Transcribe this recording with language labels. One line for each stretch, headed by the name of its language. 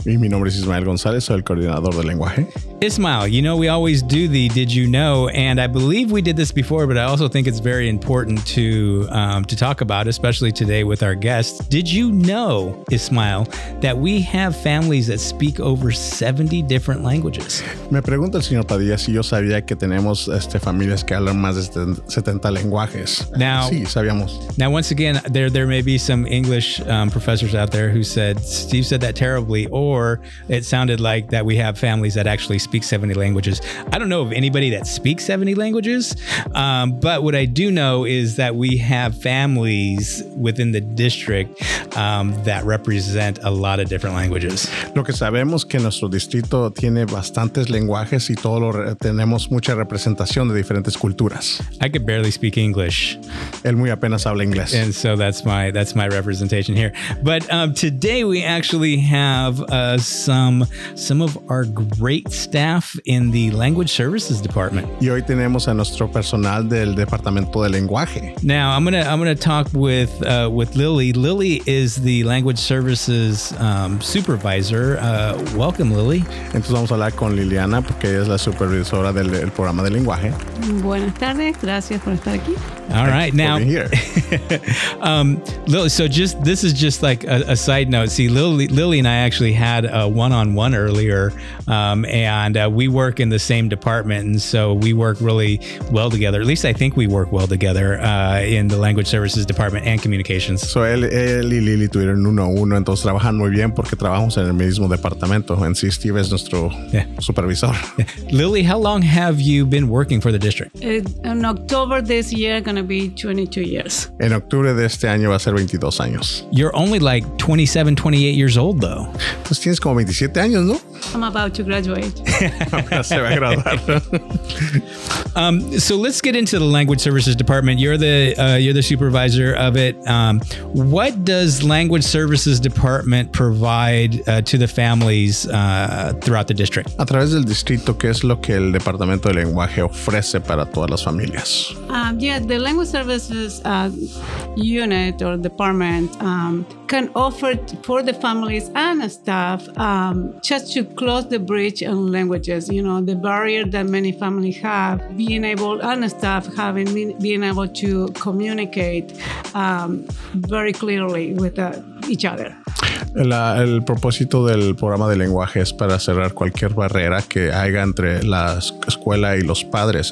Spanish: Y mi nombre es Ismael González. Soy el coordinador de lenguaje.
English: Ismael, you know, we always do the did you know, and I believe we did this before, but I also think it's very important to talk about, especially today with our guests. Did you know, Ismael, that we have families that speak over 70 different languages?
Spanish: Me pregunta el señor Padilla si yo sabía que tenemos familias que hablan más de 70 lenguajes.
English: Now,
Spanish: sí, sabíamos.
English: Now, once again, there may be some English professors out there who said, Steve said that terribly, or it sounded like that we have families that actually speak 70 languages. I don't know of anybody that speaks 70 languages, but what I do know is that we have families within the district that represent a lot of different languages.
Spanish: Lo que sabemos que nuestro distrito tiene bastantes lenguajes y todo lo tenemos mucha representación de diferentes culturas.
English: I could barely speak English.
Spanish: Él muy apenas habla inglés.
English: And so that's my representation here. But today we actually have some of our great staff in the language services department.
Spanish: Y hoy tenemos a nuestro personal del departamento de lenguaje.
English: Now I'm gonna talk with Lily. Lily is the language services supervisor. Welcome, Lily.
Spanish: Entonces vamos a hablar con Liliana porque ella es la supervisora del el programa de lenguaje. Buenas tardes. Gracias por estar aquí.
English: All right, thanks now, here. Lily, so just this is just like a side note. See, Lily and I actually had a one-on-one earlier, and we work in the same department, and so we work really well together. At least I think we work well together in the language services department and communications.
Spanish: So él y Lily tuvieron uno a uno, entonces trabajan muy bien porque trabajamos en el mismo departamento. And sí, Steve es nuestro supervisor.
English: Lily, how long have you been working for the district? In October this year, going to be 22 years.
Spanish: En octubre de este año va a ser 22 años.
English: You're only like 27, 28 years old, though.
Spanish: Pues tienes como 27 años, ¿no?
English: I'm about to graduate.
Spanish: Se va a graduar.
English: So let's get into the language services department. You're the supervisor of it. What does language services department provide to the families throughout the district?
Spanish: A través del distrito, ¿qué es lo que el departamento de lenguaje ofrece para todas las familias?
English: The language services unit or department can offer for the families and the staff just to close the bridge on languages. You know, the barrier that many families have, being able and staff having being able to communicate very clearly with each other.
Spanish: El propósito del programa de lenguaje es para cerrar cualquier barrera que haya entre la escuela y los padres.